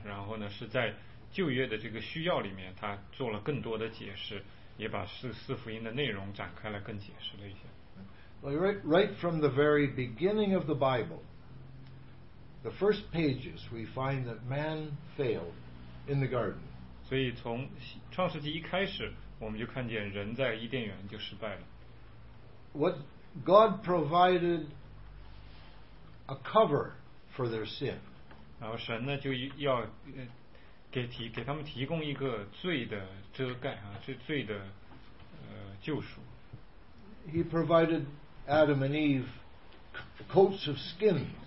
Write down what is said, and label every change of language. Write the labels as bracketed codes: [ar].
[zh] 然后呢，是在旧约的这个需要里面，他做了更多的解释，也把四福音的内容展开了，更解释了一些。 [en] Right from the very beginning of the Bible, the first pages, we find that man failed in the garden. [zh] 所以从创世纪一开始，我们就看见人在伊甸园就失败了。 [en] What God provided a cover for their sin. [zh] 然后神呢就要给他们提供一个罪的遮盖啊，罪的救赎。 [en] He provided Adam and Eve coats of skins.